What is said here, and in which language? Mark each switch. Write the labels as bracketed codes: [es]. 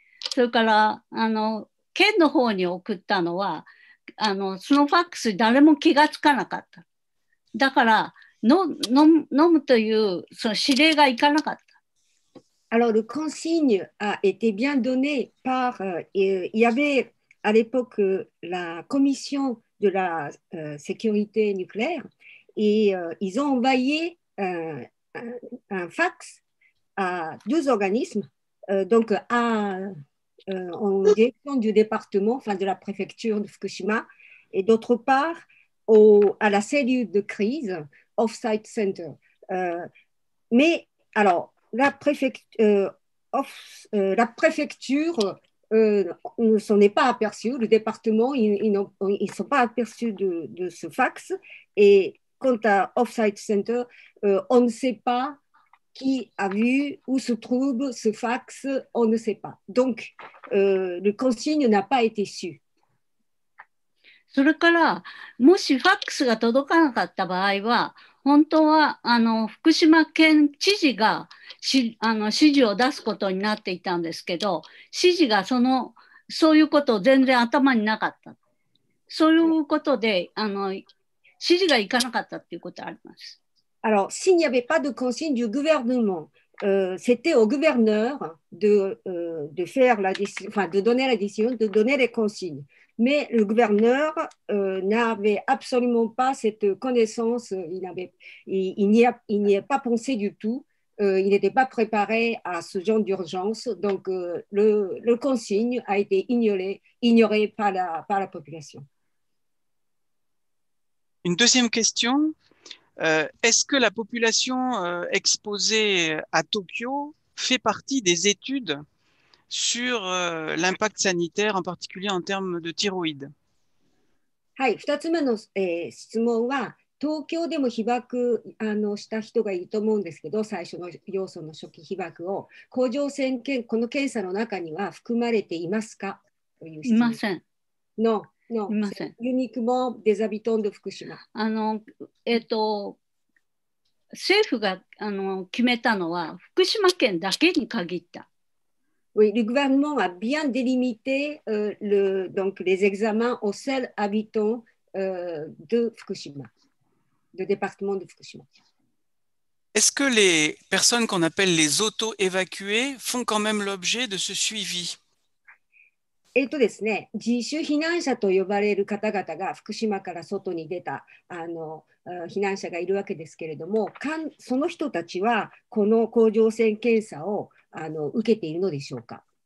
[ja] それから県の方に送ったのはそのファックス誰も気がつかなかった。だから飲むというその指令がいかなかった。 [fr] Alors, le consigne a été bien donné par, il y avait à l'époque la commission de la sécurité nucléaire et ils ont envoyé un fax à deux organismes, donc à en direction du département, enfin de la préfecture de Fukushima, et d'autre part à la cellule de crise Offsite Center. Mais alors la préfecture ne s'en est pas aperçue, le département ils ne sont pas aperçus de ce fax. Et quant à Offsite Center, on ne sait pas qui a vu où se trouve ce fax, on ne sait pas. Donc, le consigne n'a pas été su. [ja] それから、もしファックスが届かなかった場合は、本当は福島県知事が指示を出すことになっていたんですけど、指示がそういうことを全然頭になかった。そういうことで指示がいかなかったっていうことがあります。 [fr] Alors, s'il n'y avait pas de consigne du gouvernement, c'était au gouverneur de faire la décision, enfin de donner la décision, de donner les consignes. Mais le gouverneur n'avait absolument pas cette connaissance, il n'y a pas pensé du tout Il n'était pas préparé à ce genre d'urgence. Donc, le consigne a été ignorée par la population. Une deuxième question. Est-ce que la population exposée à Tokyo fait partie des études sur l'impact sanitaire, en particulier en termes de thyroïde ? [ja] はい、2つ目の、質問は、東京でも被曝した人がいると思うんですけど、最初の要素の初期被曝を、甲状腺検、この検査の中には含まれていますか？という質問。いません。 No、 No、いません。ユニクモ、デザビトンド、福島。政府が決めたのは、福島県だけに限った。 [fr] Oui, le gouvernement a bien délimité les examens aux seuls habitants de Fukushima, du département de Fukushima. Est-ce que les personnes qu'on appelle les auto-évacuées font quand même l'objet de ce suivi? [ja] ですね、自主避難者と呼ばれる方々が福島から外に出た避難者がいるわけですけれども、その人たちはこの甲状腺検査を受けているのでしょうか？